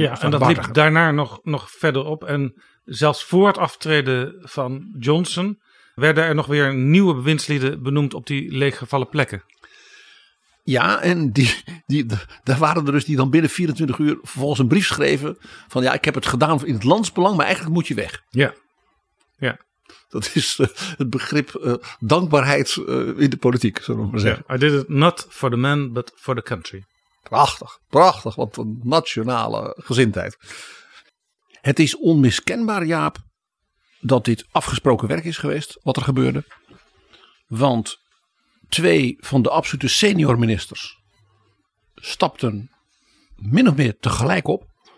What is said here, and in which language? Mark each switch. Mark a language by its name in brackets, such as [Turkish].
[Dutch] Ja, en dat liep daarna nog verder op. En zelfs voor het aftreden van Johnson werden er nog weer nieuwe bewindslieden benoemd op die leeggevallen plekken. Ja, en daar waren er dus die dan binnen 24 uur vervolgens een brief schreven van, ja, ik heb het gedaan in het landsbelang, maar eigenlijk moet je weg. Ja, ja. Dat is het begrip dankbaarheid in de politiek, zullen we maar zeggen. [English] Yeah, I did it not for the man, but for the country. [Dutch] Prachtig, prachtig. Wat een nationale gezindheid. Het is onmiskenbaar, Jaap, dat dit afgesproken werk is geweest, wat er gebeurde. Want twee van de absolute senior ministers stapten min of meer tegelijk op.